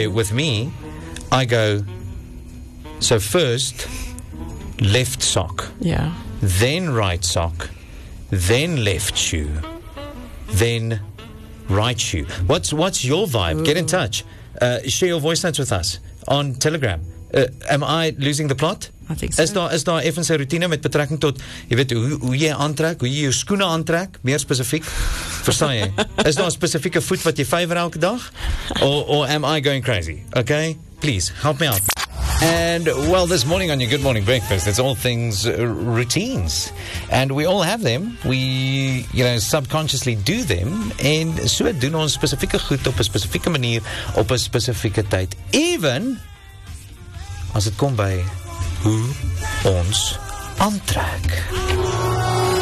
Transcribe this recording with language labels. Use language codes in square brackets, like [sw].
[en] where with me, I go, so first, left sock, yeah, then right sock, then left shoe, then right shoe. What's your vibe? Ooh. Get in touch. Share your voice notes with us on Telegram. Am I losing the plot? I think so. [af] Is daar effens 'n routine met betrekking tot, jy weet, hoe jy aantrek, hoe jy jou skoene aantrek, meer spesifiek, verstaan jy? Is daar 'n spesifieke voet wat jy favor elke dag? [en] Or am I going crazy? Okay, please, help me out. And, well, this morning on your Good Morning Breakfast, it's all things routines. And we all have them. We, you know, subconsciously do them. [af] En so doen ons spesifieke goed op 'n spesifieke manier, op 'n spesifieke tyd. [en] Even as it [af] kom by... Hoe ons aantrek.